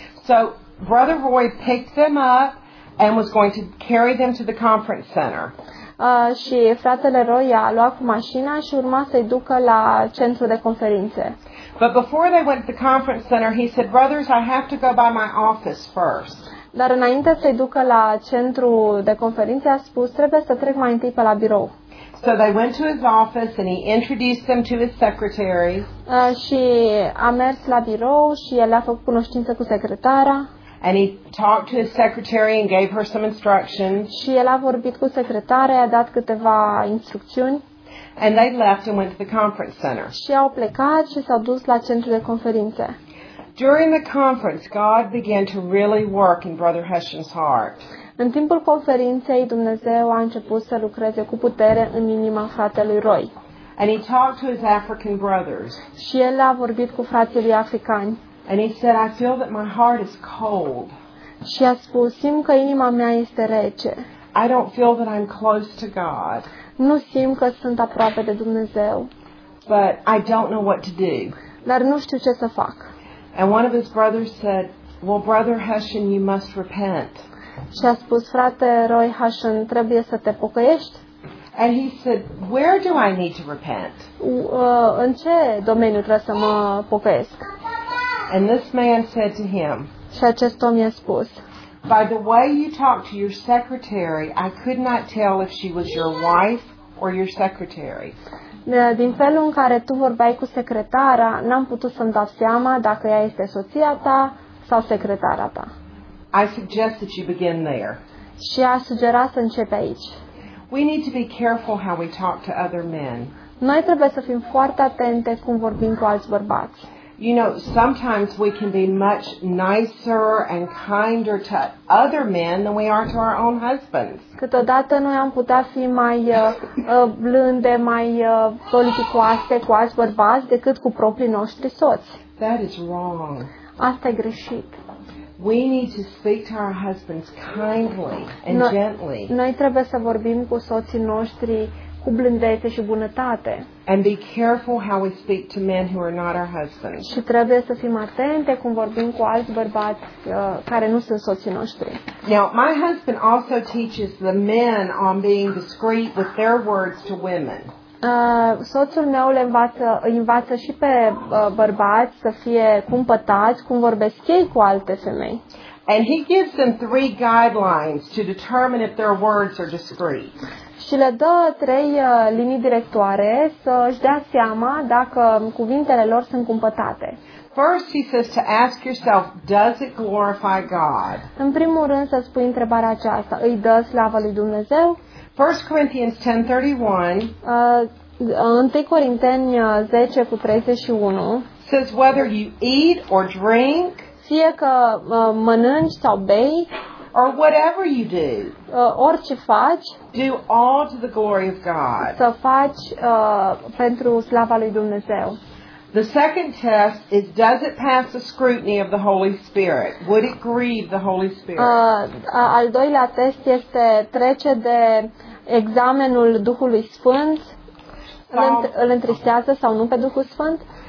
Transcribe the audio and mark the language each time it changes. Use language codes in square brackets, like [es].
[en] So Brother Roy picked them up and was going to carry them to the conference center. [ro] și fratele Roy a luat cu mașina și urma să-i ducă la centru de conferințe. [en] But before they went to the conference center, he said, "Brothers, I have to go by my office first." [ro] Dar înainte să-i ducă la centru de conferințe, a spus, "Trebuie să trec mai întâi pe la birou." [en] So they went to his office and he introduced them to his secretary. [ro] Și a mers la birou și el a făcut cunoștință cu secretara. [en] And he talked to his secretary and gave her some instructions. [ro] Și el a vorbit cu secretara, i-a dat câteva instrucțiuni. [en] And they left and went to the conference center. [ro] Și au plecat și s-au dus la centrul de conferințe. [en] During the conference, God began to really work in Brother Hessian's heart. [ro] În timpul conferinței, Dumnezeu a început să lucreze cu putere în inima fratelui Roy. [en] And he talked to his African brothers. [ro] Și el a vorbit cu frații lui africani. [en] And he said, "I feel that my heart is cold." [ro] Și a spus, simt că inima mea este rece. [en] "I don't feel that I'm close to God." [ro] Nu simt că sunt aproape de Dumnezeu. [en] "But I don't know what to do." [ro] Dar nu știu ce să fac. [en] And one of his brothers said, "Well, Brother Hessian, you must repent." [ro] Și a spus, frate Roy Hessian, trebuie să te pocăiești. [en] And he said, "Where do I need to repent?" [ro] În ce domeniu trebuie să mă pocăiesc? [en] And this man said to him, [ro] și acest om i-a spus, [en] "By the way you talk to your secretary, I could not tell if she was your wife or your secretary." [ro] Din felul în care tu vorbeai cu secretara, n-am putut să-mi dau seama dacă ea este soția ta sau secretara ta. [en] I suggest that you begin there. [ro] Și a sugerat să începi aici. [en] We need to be careful how we talk to other men. [ro] Noi trebuie să fim foarte atente cum vorbim cu alți bărbați. [en] You know, sometimes we can be much nicer and kinder to other men than we are to our own husbands. [ro] Câteodată noi am putea fi mai blânde, mai politicoase cu alți bărbați decât cu proprii noștri soți. [en] That is wrong. [ro] Asta e greșit. [en] We need to speak to our husbands kindly and gently. [ro] Noi trebuie să vorbim cu soții noștri cu blândețe și bunătate. [en] And be careful how we speak to men who are not our husbands. [ro] Și trebuie să fim atente cum vorbim cu alți bărbați care nu sunt soții noștri. [en] Now, my husband also teaches the men on being discreet with their words to women. [ro] Soțul meu îi învață și pe bărbați să fie cumpătați cum vorbesc ei cu alte femei. [en] And he gives them 3 guidelines to determine if their words are discreet. [ro] Și le dă 3 linii directoare să își dea seama dacă cuvintele lor sunt cumpătate. [en] First, he says to ask yourself, does it glorify God? [ro] În primul rând să-ți pui întrebarea aceasta, îi dă slavă lui Dumnezeu? [en] 1 Corinthians 10:31. [ro] 1 Corinteni 10:31. [en] Says whether you eat or drink, [ro] fie că mănânci sau bei, [en] or whatever you do, [ro] orice faci, [en] do all to the glory of God. [ro] Să faci pentru slava lui Dumnezeu. [en] The second test is, does it pass the scrutiny of the Holy Spirit? Would it grieve the Holy Spirit? [ro] Al doilea test este, trece de examenul Duhului Sfânt? Îl întristează sau nu pe Duhul Sfânt?